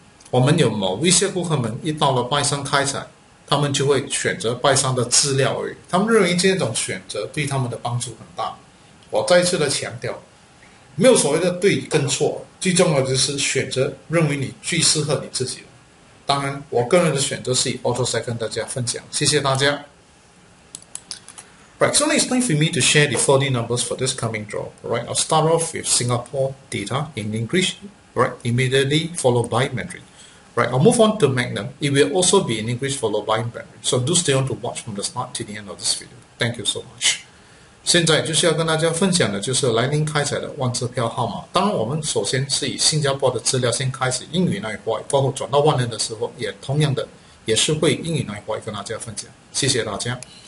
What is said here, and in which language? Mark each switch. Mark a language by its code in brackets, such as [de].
[zh] 我们有某一些顾客们一到了拜山开采，他们就会选择拜山的资料而已。他们认为这种选择对他们的帮助很大。我再次的强调， 没有所谓的对跟错，最重要的就是选择认为你最适合你自己的。当然，我个人的选择是以 Auto Second 大家分享，谢谢大家。 [en] Right, so now it's time for me to share the 4D numbers for this coming draw. Right, I'll start off with Singapore data in English. Right, immediately followed by Mandarin. Right, I'll move on to Magnum. It will also be in English followed by Mandarin. So do stay on to watch from the start to the end of this video. Thank you so much. [zh] 现在就是要跟大家分享的就是来临开采的万支票号码。当然，我们首先是以新加坡的资料先开始英语那一块，包括转到万能的时候，也同样的也是会英语那一块跟大家分享。谢谢大家。